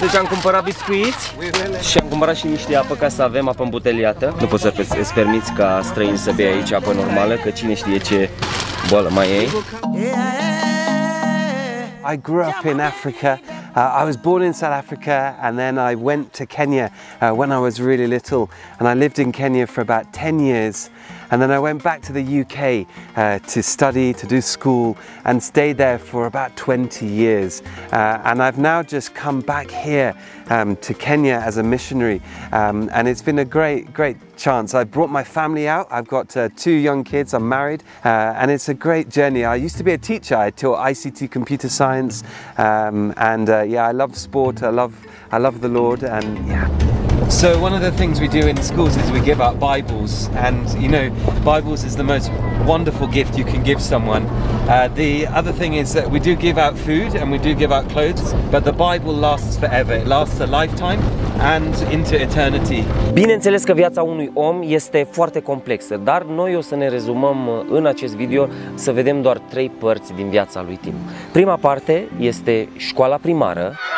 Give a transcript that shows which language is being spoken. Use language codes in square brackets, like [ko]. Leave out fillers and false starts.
[ro] Deci am cumpărat biscuiți și am cumpărat și niște apă ca să avem apă îmbuteliată. Nu poți să îți permiți ca străini să bea aici apă normală, că cine știe ce boală mai ai. [en] I grew up in Africa. I was born in South Africa and then I went to Kenya when I was really little, and I lived in Kenya for about 10 years. And then I went back to the UK to study, to do school, and stayed there for about 20 years. And I've now just come back here to Kenya as a missionary. And it's been a great, great chance. I brought my family out. I've got two young kids. I'm married. And it's a great journey. I used to be a teacher. I taught ICT computer science. I love sport. I love the Lord. And yeah. So one of the things we do in schools is we give out Bibles, and you know, Bibles is the most wonderful gift you can give someone. The other thing is that we do give out food and we do give out clothes, but the Bible lasts forever. It lasts a lifetime and into eternity. [ro] Bineînțeles că viața unui om este foarte complexă, dar noi o să ne rezumăm în acest video să vedem doar trei părți din viața lui Tim. Prima parte este școala primară.